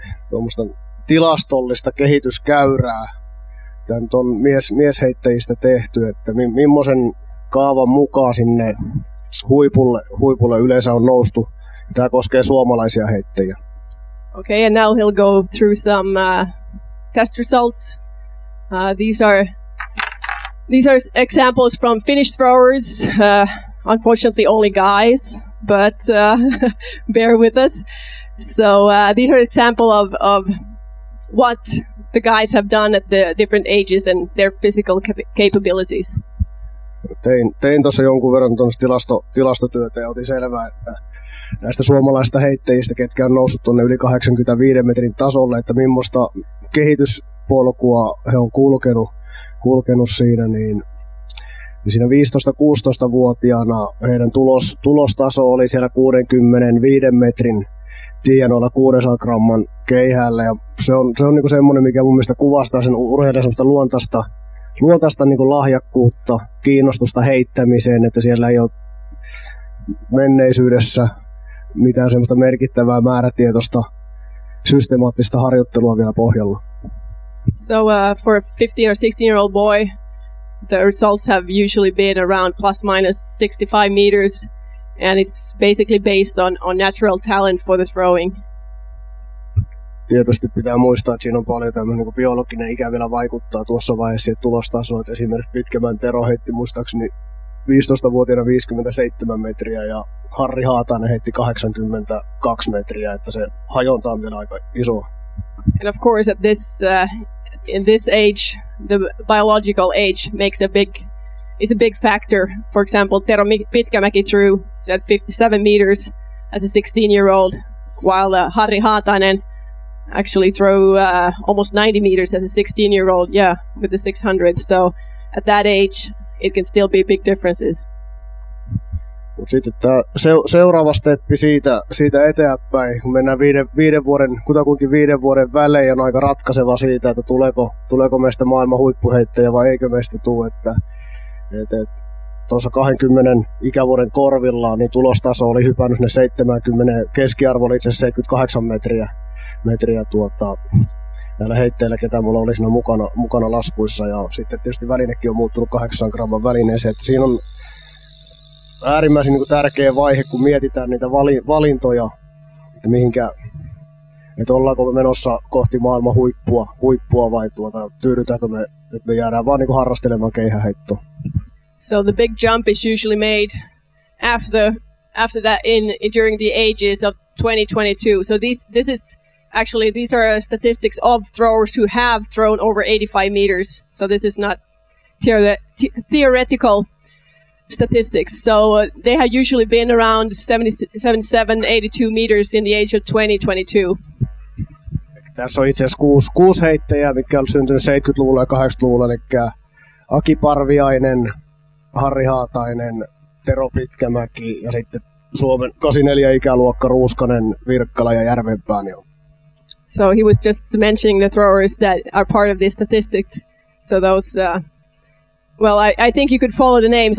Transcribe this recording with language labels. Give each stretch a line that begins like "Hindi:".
Finnish: tuommoista tilastollista kehityskäyrää tämän tuon miesheittäjistä tehty, että millaisen kaavan mukaan sinne huipulle yleensä on noustu. Tämä koskee suomalaisia heittäjiä.
English: Okay, and now he'll go through some test results. These are examples from Finnish throwers. Unfortunately, only guys, but bear with us. So these are examples of what the guys have done at the different ages and their physical capabilities.
Finnish: Tein tuossa jonkun verran tuollaista tilastotyötä ja otin selvää, että näistä suomalaisista heittäjistä, ketkä on noussut tuonne yli 85 metrin tasolle, että millaista kehityspolkua he on kulkenut siinä, niin siinä 15-16-vuotiaana heidän tulostaso oli siellä 65 metrin tienoilla 600 gramman keihällä. Ja se on niinku semmoinen, mikä mun mielestä kuvastaa sen urheilijan semmoista luontaista niin kuin lahjakkuutta, kiinnostusta heittämiseen, että siellä ei ole menneisyydessä mitään semmoista merkittävää määrätietoista systemaattista harjoittelua vielä pohjalla.
English: So for a 15 or 16 year old boy, the results have usually been around plus minus 65 meters, and it's basically based on natural talent for the throwing.
Finnish: Tietysti pitää muistaa, että siinä on paljon tämmöinen niin kuin biologinen ikä vielä vaikuttaa tuossa vaiheessa tulostasoon. Että esimerkiksi Pitkämäen Tero heitti muistaakseni 15-vuotiaana 57 metriä ja Harri Haatainen heitti 82 metriä, että se hajonta on vielä aika iso.
English: And of course at this in this age, the biological age makes a big factor. For example, Tero Pitkämäki threw at 57 meters as a 16-year-old, while Harri Haatainen actually throw almost 90 meters as a 16-year-old, yeah, with the 600. So at that age, it can still be big differences.
Finnish: Mut sitten tämä seuraava steppi siitä eteenpäin, kun mennään kutakuinkin viiden vuoden välein, on aika ratkaiseva siitä, että tuleeko meistä maailman huippuheittäjä vai eikö meistä tule. Että tuossa 20 ikävuoden korvilla niin tulostaso oli hypännyt sinne 70, keskiarvo oli itse asiassa 78 metriä näillä heitteillä, ketä mulla oli siinä mukana laskuissa, ja sitten tietysti välinekin on muuttunut 8 gramman välineeseen, että siinä on äärimmäisen niin kuin tärkeä vaihe, kun mietitään niitä valintoja, että mihinkä, että ollaanko me menossa kohti maailman huippua vai tyydytäänkö me, että me jäädään vaan niin kuin harrastelemaan keihäheittoa.
English: So the big jump is usually made after that during the ages of 20-22. So these are statistics of throwers who have thrown over 85 meters. So this is not theoretical statistics. So they have usually been around 77-82 meters in the age of 20-22.
Finnish: Tässä on itse asiassa kuusi heittäjää, mitkä on syntynyt 70-luvulla ja 80-luvulla, eli Aki Parviainen, Harri Haatainen, Tero Pitkämäki ja sitten Suomen 84 ikäluokka Ruuskanen, Virkkala ja Järvenpää. Niin.
English: So he was just mentioning the throwers that are part of these statistics. So those, I think you could follow the names.